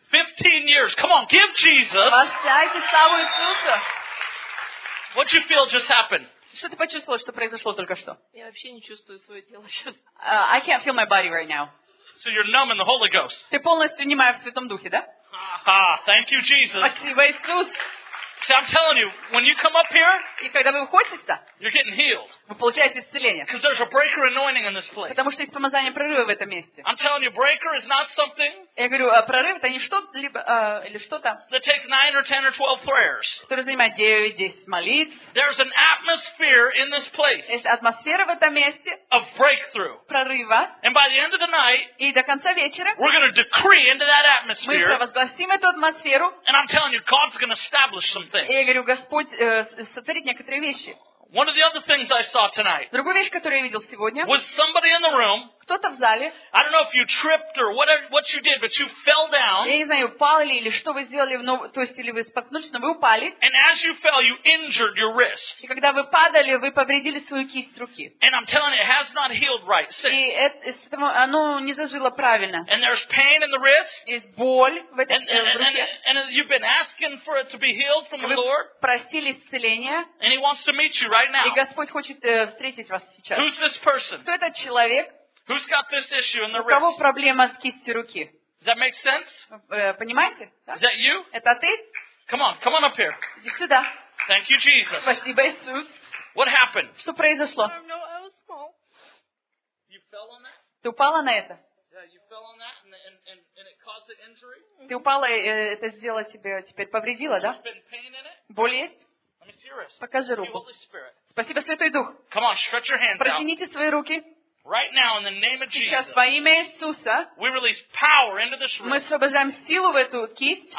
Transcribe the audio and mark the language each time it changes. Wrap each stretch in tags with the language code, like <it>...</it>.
<en>15 years. Come on, give Jesus.</en> <ru>Поставьте славу Иисуса.</ru> <en>What you feel just happened?</en> <ru>Что ты почувствовала, что произошло только что? Я вообще не чувствую свое тело сейчас.</ru> <en>I can't feel my body right now. So you're numb in the Holy Ghost.</en> <ru>Ты полностью немая в Святом Духе, да?</ru> <en>Thank you, Jesus.</en> <ru>Спасибо, Иисус.</ru> <en>See, I'm telling you, when you come up here,</en> <ru>и когда вы выходите,</ru> <en>you're getting healed.</en> <ru>Вы получаете исцеление.</ru> <en>Because there's a breaker anointing in this place.</en> <ru>Потому что есть помазание прорыва в этом месте.</ru> <en>I'm telling you, breaker is not something.</en> <ru>Я говорю, прорыв это не что-либо или что-то.</ru> <en>That takes 9 or 10 or 12 prayers.</en> <ru>Которое занимает 9-10 молитв.</ru> <en>There's an atmosphere in this place.</en> <ru>Есть атмосфера в этом месте.</ru> <en>Of breakthrough.</en> <ru>Прорыва.</ru> <en>And by the end of the night,</en> <ru>и до конца вечера,</ru> <en>we're going to decree into that atmosphere.</en> <ru>Мы провозгласим эту атмосферу.</ru> <en>And I'm telling you, God's going to establish some things.</en> <ru>И я говорю, Господь сотворит некоторые вещи.</ru> <en>One of the other things I saw tonight.</en> <ru>Другую вещь, которую я видел сегодня.</ru> <en>Was somebody in the room?</en> <ru>Кто-то в зале.</ru> <en>I don't know if you tripped or what you did, but you fell down.</en> <ru>Я не знаю, упали ли или что вы сделали, то есть или вы споткнулись, но вы упали.</ru> <en>And as you fell, you injured your wrist.</en> <ru>И когда вы падали, вы повредили свою кисть руки.</ru> <en>And I'm telling you, it has not healed right.</en> <ru>И это оно не зажило правильно.</ru> <en>And there's pain in the wrist.</en> <ru>Есть боль в этой руке.</ru> <en>And you've been asking for it to be healed from the Lord.</en> <ru>Вы просили исцеления.</ru> <en>And He wants to meet you right now.</en> <ru>И Господь хочет встретить вас сейчас.</ru> <en>Who's this person?</en> <ru>Кто этот человек?</ru> <en>Who's got this issue in the wrist?</en> <ru>У кого проблема с кистью руки?</ru> <en>Does that make sense?</en> <ru>Понимаете?</ru> <en>Is that you?</en> <ru>Это ты?</ru> <en>Come on up here.</en> <ru>Иди сюда.</ru> <en>Thank you, Jesus.</en> <ru>Спасибо, Иисус.</ru> <en>What happened?</en> <ru>Что произошло?</ru> <en>I don't know, I was small. You fell on that?</en> <ru>Ты упала на это?</ru> <en>Yeah, you fell on that and it caused an injury?</en> <ru>Ты упала, это сделало тебе теперь повредило, да?</ru> <en>There's been pain in it?</en> <ru>Боль есть?</ru> <en>I'm serious.</en> <ru>Покажи руку. Спасибо, Святой Дух.</ru> <en>Come on, stretch your hands.</en> <ru>Протяните свои руки.</ru> <en>Right now, in the name of Jesus,</en> <ru>сейчас во имя Иисуса,</ru> <en>we release power into this room.</en> <ru>Мы освобождаем силу в эту кисть.</ru>